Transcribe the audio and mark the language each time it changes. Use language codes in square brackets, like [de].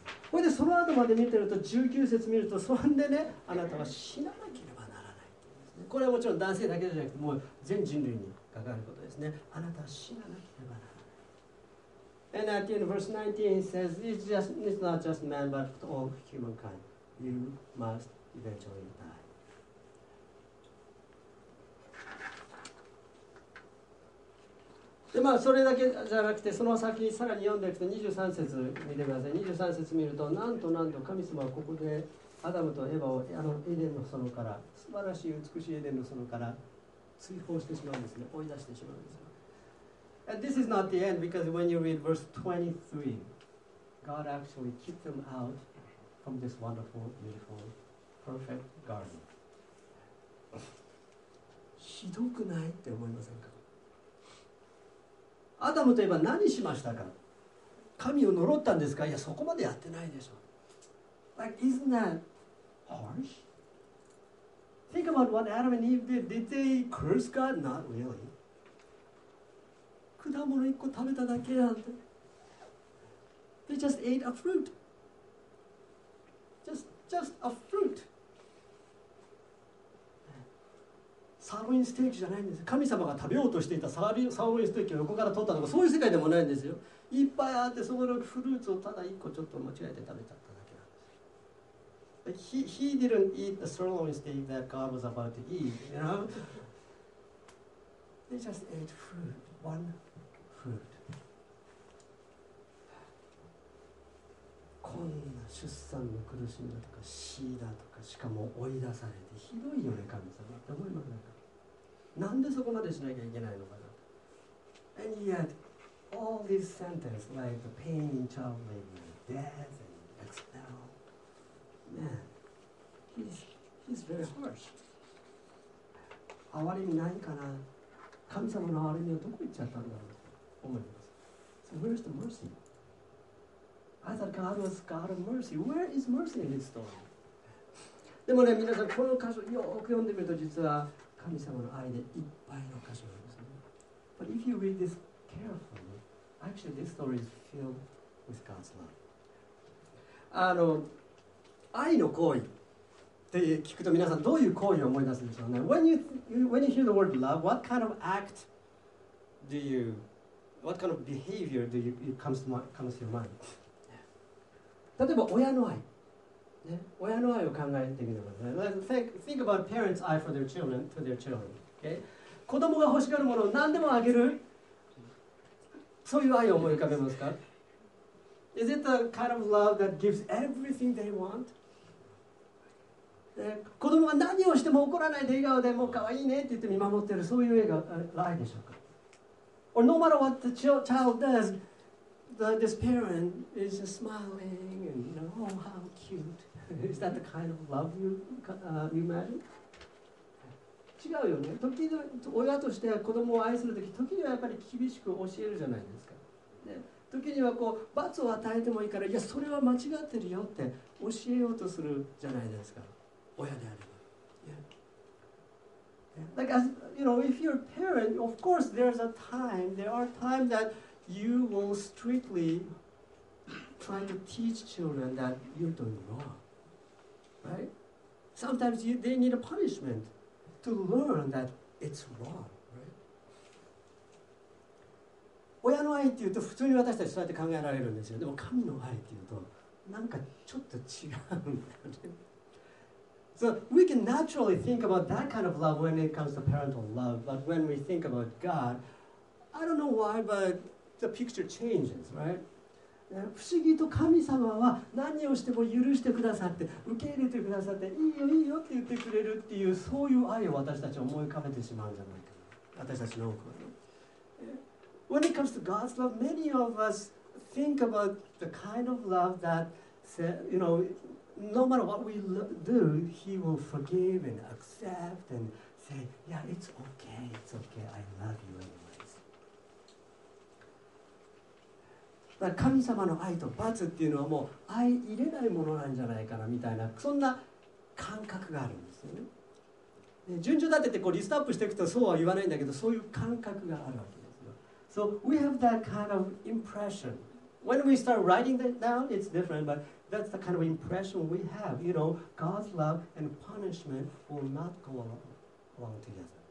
[ja] これでその後まで見てると、19節見ると、そんでね、あなたは死ななければならない。これはもちろん男性だけじゃなくて、もう全人類に関わることですね。あなたは死ななければならない。 [en] And at the end of verse 19, he says, it's not just man, but all humankind. You must eventually die. [ja] で、まあ、それだけじゃなくて、その先にさらに読んでいくと、23節見てください。23節見ると、なんとなんと神様はここで、アダムとエヴァをあのエデンの園から素晴らしい美しいエデンの園から追放してしまうんですね。追い出してしまうんですよ。 [en] And this is not the end because when you read verse 23, God actually kicked them out from this wonderful, beautiful, perfect garden. [ja] ひどくないって思いませんか？アダムとエヴァ何しましたか？神を呪ったんですか？いや、そこまでやってないでしょ。 [en] Like, isn't that harsh? Think about what Adam and Eve did. Did they curse God? Not really. [ja] 果物一個食べただけなんて。 [en] They just ate a fruit. Just a fruit. [ja] サーロインステーキじゃないんです。神様が食べようとしていたサーロインステーキを横から取ったとか、そういう世界でもないんですよ。いっぱいあって、そこのフルーツをただ一個ちょっと間違えて食べちゃった。 [en] He didn't eat the sirloin steak that God was about to eat, you know? They just ate fruit, one fruit. [ja] こんな出産の苦しみだとか死だとか、しかも追い出されて、ひどいよね、神様。どういうのかな？なんでそこまでしなきゃいけないのかな？ [en] And yet, all these sentences, like the pain in childbirth, death, and expel, Man, he's very harsh. [ja] 哀れみないかな。神様の哀れみはどこ行っちゃったんだろうと思います。 [en] So where's the mercy? I thought God was God of mercy. Where is mercy in this story? [ja] でもね、皆さんこの箇所よく読んでみると、実は神様の愛でいっぱいの箇所なんですね。 [en] But if you read this carefully, actually this story is filled with God's love. [ja] 愛の行為って聞くと皆さんどういう行為を思い出すんでしょうね。 [en] When you hear the word love, what kind of act do you, what kind of behavior do you comes to your mind? [ja] 例えば親の愛、ね、親の愛を考えてみてください。 [en] Think about parents' eye for their children, to their children. Okay? [ja] 子供が欲しがるものを何でもあげる、そういう愛を思い浮かべますか？ [en] Is it the kind of love that gives everything they want? [ja] 子供が何をしても怒らないで笑顔でもうかわいいねって言って見守ってる、そういう愛でしょうか？ [en] Or no matter what the child does, this parent is just smiling and, you know, oh, how cute. Is that the kind of love you imagine? [ja] 違うよね。時々親として子供を愛するとき、時にはやっぱり厳しく教えるじゃないですか。時にはこう罰を与えてもいいから、いやそれは間違ってるよって教えようとするじゃないですか、親であれば。 [en] Like, as you know, if you're a parent, of course there are times that you will strictly try to teach children that you're doing wrong, right? Sometimes they need a punishment to learn that it's wrong. [ja] 親の愛っていうと普通に私たちそうやって考えられるんですよ。でも神の愛っていうとなんかちょっと違うんだよね。 [en] So we can naturally think about that kind of love when it comes to parental love, but when we think about God, I don't know why, but the picture changes, right? [ja] 不思議と神様は何をしても許してくださって受け入れてくださっていいよいいよって言ってくれるっていうそういう愛を私たち思い浮かべてしまうんじゃないか私たちの多くは [en] When it comes to God's love, many of us think about the kind of love that you know, no matter what we do, He will forgive and accept and say, yeah, it's okay, I love you anyway. [ja] だから神様の愛と罰っていうのはもう愛入れないものなんじゃないかなみたいなそんな感覚があるんですよね。順序立ててこうリストアップしていくとそうは言わないんだけどそういう感覚があるわけですよ。 [en] So we have that kind of impression. When we start writing that down, it's different, but that's the kind of impression we have. You know, God's love and punishment will not go along together.